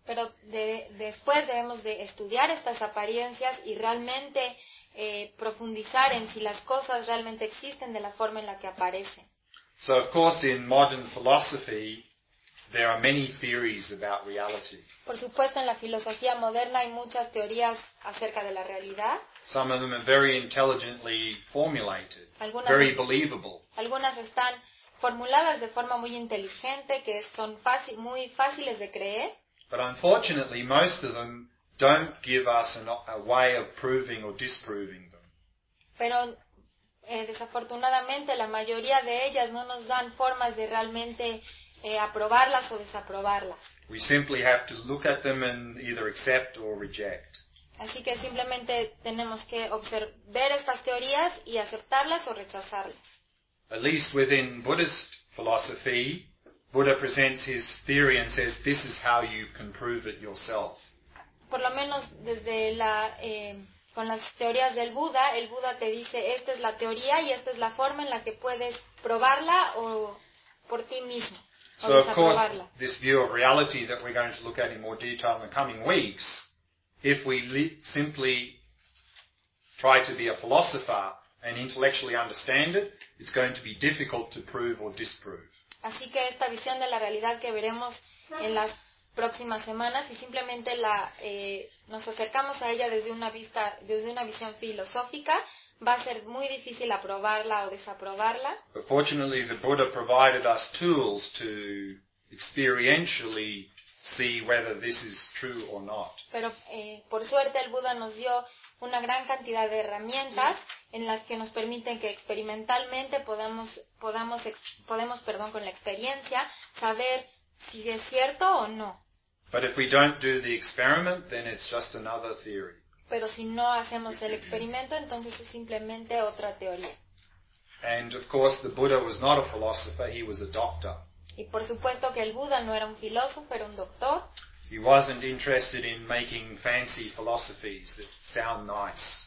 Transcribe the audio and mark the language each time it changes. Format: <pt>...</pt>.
<es>Pero después debemos de estudiar estas apariencias y realmente profundizar en si las cosas realmente existen de la forma en la que aparecen.</es> <en>So of course in modern philosophy there are many theories about reality.</en> <es>Por supuesto, en la filosofía moderna hay muchas teorías acerca de la realidad.</es> <en>Some of them are very intelligently formulated, very believable.</en> <es>Algunas están formuladas de forma muy inteligente, que son muy fáciles de creer.</es> <en>But unfortunately, most of them don't give us a way of proving or disproving them.</en> <es>Pero desafortunadamente, la mayoría de ellas no nos dan formas de realmente aprobarlas o desaprobarlas.</es> <en>We simply have to look at them and either accept or reject.</en> <es>Así que simplemente tenemos que observar estas teorías y aceptarlas o rechazarlas.</es> <en>At least within Buddhist philosophy, Buddha presents his theory and says, "This is how you can prove it yourself."</en> <es>Por lo menos desde la con las teorías del Buda, el Buda te dice, "Esta es la teoría y esta es la forma en la que puedes probarla o por ti mismo."</es> <en>So of course, this view of reality that we're going to look at in more detail in the coming weeks, if we simply try to be a philosopher and intellectually understand it, it's going to be difficult to prove or disprove.</en> <es>Así que esta visión de la realidad que veremos en las próximas semanas y simplemente la nos acercamos a ella desde una vista, desde una visión filosófica, va a ser muy difícil aprobarla o desaprobarla.</es> <en>But fortunately, the Buddha provided us tools to experientially see whether this is true or not.</en> <es>Pero por suerte el Buda nos dio una gran cantidad de herramientas en las que nos permiten que experimentalmente podamos con la experiencia saber si es cierto o no.</es> <en>But if we don't do the experiment, then it's just another theory.</en> <es>Pero si no hacemos el experimento, entonces es simplemente otra teoría.</es> <en>And of course, the Buddha was not a philosopher, he was a doctor.</en> <es>Y por supuesto que el Buda no era un filósofo, era un doctor.</es> <en>He wasn't interested in making fancy philosophies that sound nice.</en>